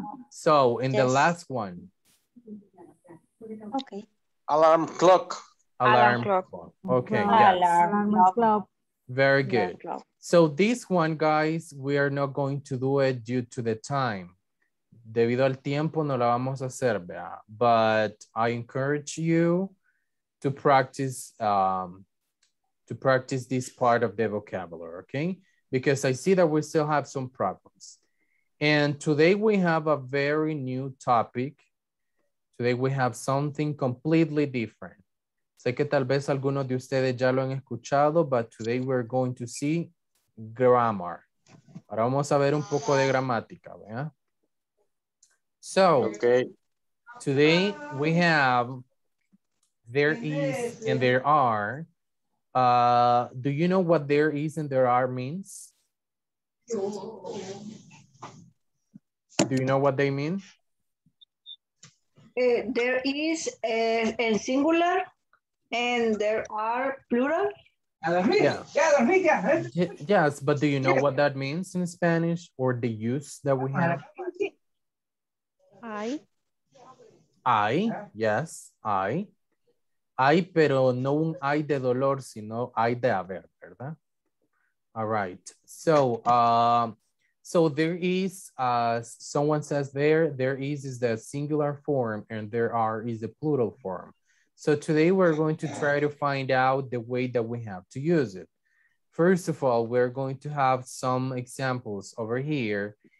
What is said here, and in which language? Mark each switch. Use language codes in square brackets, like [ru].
[en] So in the last one. Okay. Alarm clock. Okay. Alarm clock. Very good. So this one, guys, we are not going to do it due to the time. [es] Debido al tiempo, no la vamos a hacer, ¿verdad? [en] But I encourage you to practice this part of the vocabulary, okay? Because I see that we still have some problems. And today we have a very new topic. Today we have something completely different. [es] Sé que tal vez algunos de ustedes ya lo han escuchado, [en] but today we're going to see grammar. [es] Ahora vamos a ver un poco de gramática, ¿verdad? [en] So, okay. Today we have, there is and there are. Do you know what there is and there are means? Do you know what they mean? There is a singular and there are plural. Yes, but do you know what that means in Spanish or the use that we have? I, yes, I. [es] I, pero no un I de dolor, sino I de haber, ¿verdad? [en] All right, so there is, someone says there is the singular form and there are is the plural form. So today we're going to try to find out the way that we have to use it. First of all, we're going to have some examples over here.